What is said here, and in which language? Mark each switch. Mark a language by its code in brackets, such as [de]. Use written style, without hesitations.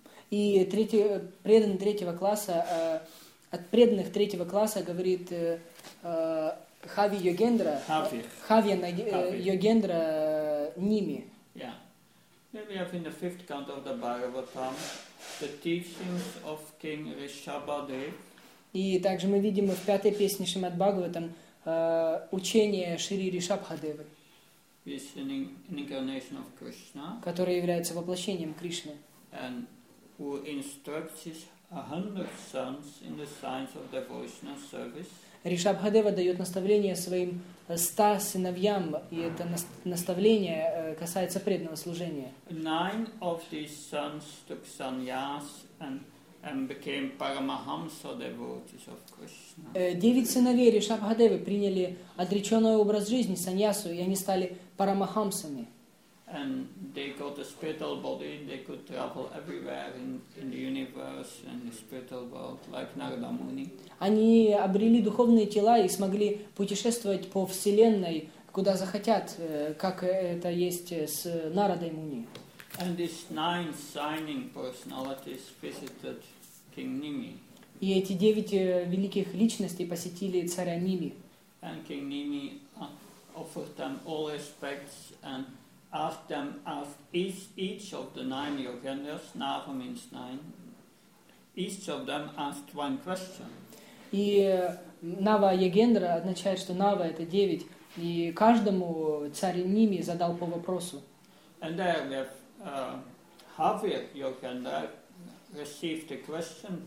[ru] И преданный третьего класса, от преданных третьего класса говорит Хави Йогендра, Хави Йогендра Ними. [en] Yeah. We have in the fifth canto of the Bhagavatam the teachings of King Rishabhadev. [ru] И также мы видим в пятой песне Шримад Бхагаватам учение Шри Ришабхадевы. [en] Is an incarnation of Krishna, [ru] который является воплощением Кришны, [en] and who instructs his 100 sons in the science of devotional service. [ru] Ришабхадева дает наставление своим 100 сыновьям, и это наставление касается преданного служения. [en] 9 of these sons took sannyas and became Paramahamsa devotees of Krishna. [ru] 9 сыновей Ришабхадевы приняли отреченный образ жизни, саньясу, и они стали парамахамсами. [en] And they got a spiritual body, they could travel everywhere in the universe, in the spiritual world, like Narada Muni. [ru] Они обрели духовные тела и смогли путешествовать по вселенной, куда захотят, как это есть с Нарадой Муни. [en] And these 9 shining personalities visited King Nimi. [ru] И эти 9 великих личностей посетили царя Ними. [en] And King Nimi offered them all respects and asked them as each of the 9 yogendras, Nava means 9, each of them asked one question. [ru] И Нава Йогендра означает, что Нава это 9, и каждому царь Ними задал по вопросу. [en] And there we have Havya Yogendra received a question.